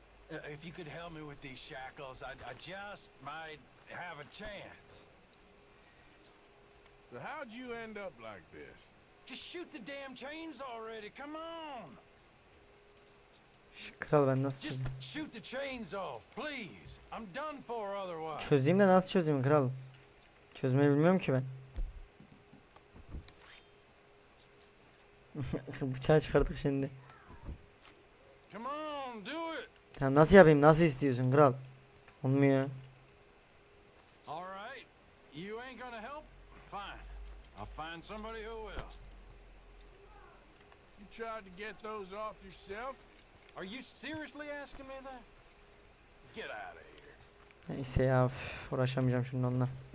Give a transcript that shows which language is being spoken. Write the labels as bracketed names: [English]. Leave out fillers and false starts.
[English] If you could help me with these shackles, I just might have a chance. So how'd you end up like this? Just shoot the damn chains already. Come on. [Turkish] Kral ben nasıl çözeyim? [English] Shoot the chains off, please. I'm done for otherwise. [Turkish] Çözeyim de nasıl çözeyim kral? Çözmeyi bilmiyorum ki ben. Bıçağı çıkardık şimdi. [English] Come on, do it. [Turkish] Tamam nasıl yapayım? Nasıl istiyorsun kral? Olmuyor. [English] All right. You ain't gonna help? Fine. I'll find somebody who will. You tried to get those off yourself? Are you seriously asking me that? Get out of here. [Turkish] Neyse ya, uğraşamayacağım şimdi onunla.